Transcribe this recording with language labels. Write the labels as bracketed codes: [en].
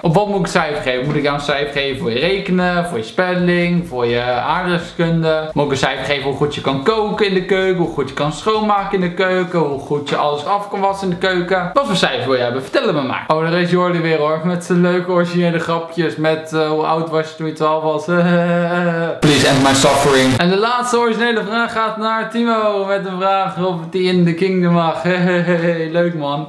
[nl] Op wat moet ik cijfer geven? Moet ik jou een cijfer geven voor je rekenen, voor je spelling, voor je aardrijkskunde? Moet ik een cijfer geven hoe goed je kan koken in de keuken, hoe goed je kan schoonmaken in de keuken, hoe goed je alles af kan wassen in de keuken? Wat voor cijfer wil je hebben? Vertel het me maar. Oh, daar is Jordi weer hoor, met zijn leuke originele grapjes, met hoe oud was je toen je 12 was? [en] Please end my suffering. [nl] En de laatste originele vraag gaat naar Timo, met de vraag of het die in de kingdom mag. Leuk man.